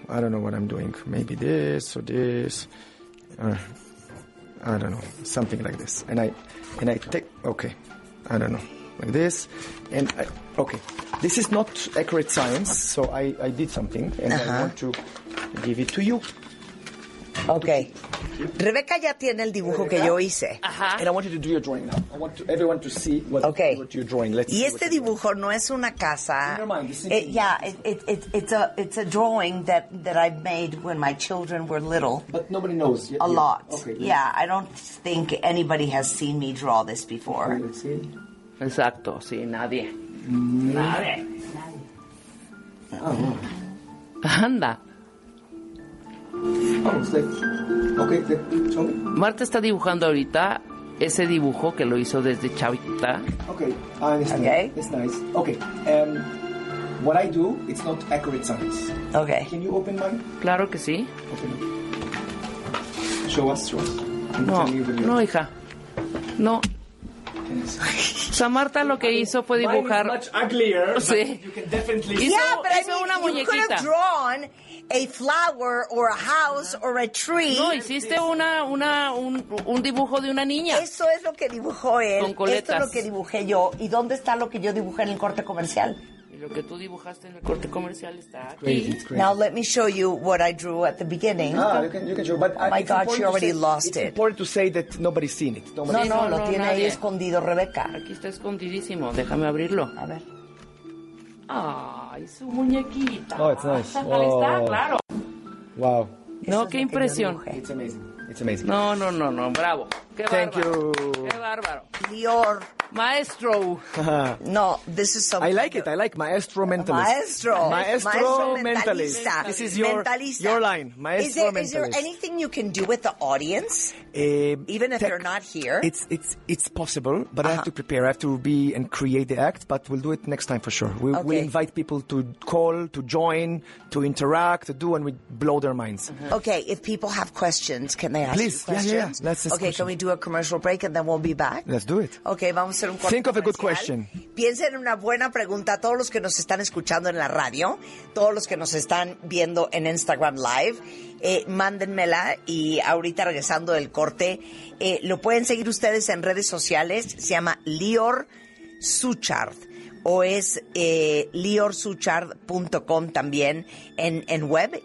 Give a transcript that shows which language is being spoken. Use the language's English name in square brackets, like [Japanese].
[English] I don't know what I'm doing. Maybe this or this. I don't know. Something like this. And I take, okay. I don't know. Like this. And I, okay. This is not accurate science, so I did something, and uh-huh. I want to give it to you. Okay. [Spanish] Rebecca ya tiene el dibujo que yo hice. Uh-huh. [English] And I want you to do your drawing now. I want everyone to see what you're drawing. [Spanish] Let's. Y este dibujo no es una casa. [English] In your mind, it's a drawing that I made when my children were little. But nobody knows. A lot. Okay, yeah, I don't think anybody has seen me draw this before. Okay, let's see. [Spanish] Exacto, sí, nadie. Nadie. Oh. Anda. Marta está dibujando ahorita ese dibujo que lo hizo desde chavita. [English] Okay, I understand. Okay. That's nice. Okay. What I do, it's not accurate science. Okay. Can you open mine? [Spanish] Claro que sí. [English] Okay. Show us. [Spanish] No, hija. No. O sea, Marta lo que hizo fue dibujar. [English] Mine is much uglier, [Spanish] sí. Hizo una muñequita. [English] You could have drawn a flower or a house or a tree. [Spanish] No, hiciste un dibujo de una niña. Eso es lo que dibujó él. Con coletas. Esto es lo que dibujé yo. ¿Y dónde está lo que yo dibujé en el corte comercial? Lo que tú dibujaste en el corte comercial está aquí. [English] Now let me show you what I drew at the beginning. Ah, you can show. But oh my God, she already lost it. It's important to say that nobody's seen it. [Spanish] Tiene ahí escondido Rebeca. Aquí está escondidísimo. Déjame abrirlo. A ver. Ay, su muñequita. [English] Oh, it's nice. [Spanish] Claro. [English] Wow. [Spanish] No, qué impresión. [English] It's amazing. [Spanish] No, bravo. Qué bárbaro. [English] Thank you. [Spanish] Qué bárbaro. Dior. Maestro. [English] No, this is something. I like it. I like maestro mentalist. Maestro mentalist. This is your line. Maestro mentalist. Is there anything you can do with the audience, even if they're not here? It's possible, but uh-huh. I have to prepare. I have to be and create the act, but we'll do it next time for sure. We'll invite people to call, to join, to interact, to do, and we blow their minds. Uh-huh. Okay, if people have questions, can they ask Please. You questions? Please, yeah. Let's ask Okay, questions. Can we do a commercial break and then we'll be back? Let's do it. [Spanish] Okay, vamos a hacer un corte [English] Think of a good question. [Spanish] Piensen en una buena pregunta a todos los que nos están escuchando en la radio, todos los que nos están viendo en Instagram Live. Mándenmela y ahorita regresando del corte, lo pueden seguir ustedes en redes sociales. Se llama Lior Suchard o es liorsuchard.com también en web.